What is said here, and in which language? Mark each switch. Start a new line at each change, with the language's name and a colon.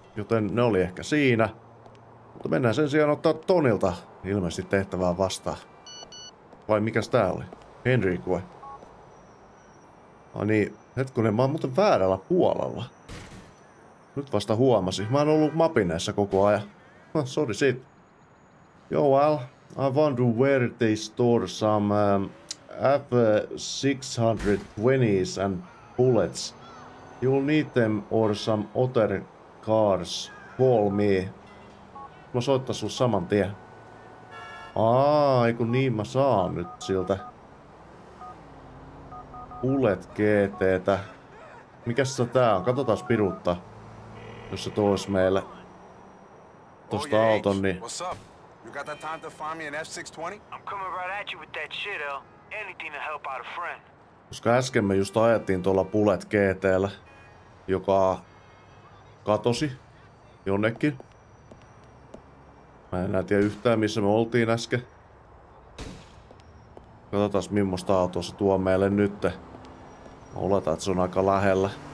Finnish: Joten ne oli ehkä siinä. Mutta mennään sen sijaan ottaa Tonilta ilmeisesti tehtävää vastaan. Vai mikäs tää oli? Henrique. Ai niin, hetkinen, mä oon muuten väärällä puolella. Nyt vasta huomasin. Mä oon ollut mapineessa koko ajan. Sorry sit.
English: Joo, well, I wonder where they store some F-620s and bullets. You'll need them or some other cars. Call me.
Finnish: Mä soittan sun saman tien. Eiku niin, mä saan nyt siltä. Bullet GT:tä. Mikäs se tää on? Katotaas piruutta. Jos se tois meille. Tosta auton niin.
English: What's up? You got that time to find me an F620? I'm coming right at you with that shit, L. Anything to help out a friend.
Finnish: Koska äsken me just ajettiin tuolla Bullet GT:llä, joka katosi jonnekin. Mä en enää tiedä yhtään missä me oltiin äsken. Katotaas mimmosta autoa se tuo meille nytte. Mä oletan, että se on aika lähellä.